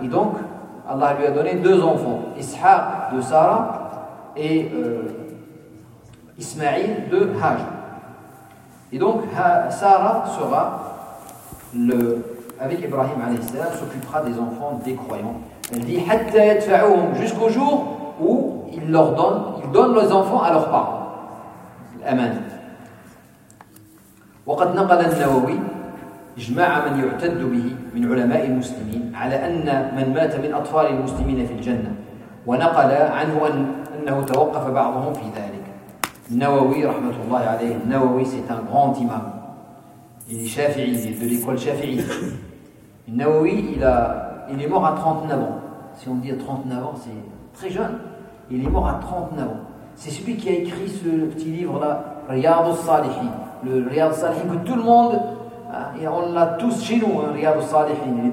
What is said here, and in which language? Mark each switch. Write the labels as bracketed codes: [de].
[fr] Et donc, Allah lui a donné deux enfants, Ishaq de Sarah et Ismaïl de Hajar. Et donc, Sarah sera avec Ibrahim alayhi salam, s'occupera des enfants des croyants. Elle dit [ar] hatta yadfa'uhum, [fr] jusqu'au jour où il donne les enfants à leurs parents. Amen. [ar] وقد نقل النووي اجماع من يعتد به من علماء المسلمين على ان من مات من اطفال المسلمين في الجنه ونقل عنه انه توقف بعضهم في ذلك. النووي رحمه الله عليه, النووي [fr] c'est un grand imam. Il est شافعي, il est de l'école شافعي. النووي il est mort à 39 ans. Si on dit à 39 ans, c'est très jeune. Il est mort à 39 ans. C'est celui qui a écrit ce petit livre-là, Riyad al-Salihin. Le Riyad al-Salihin que tout le monde, et on l'a tous chez nous, hein, Riyad al-Salihin.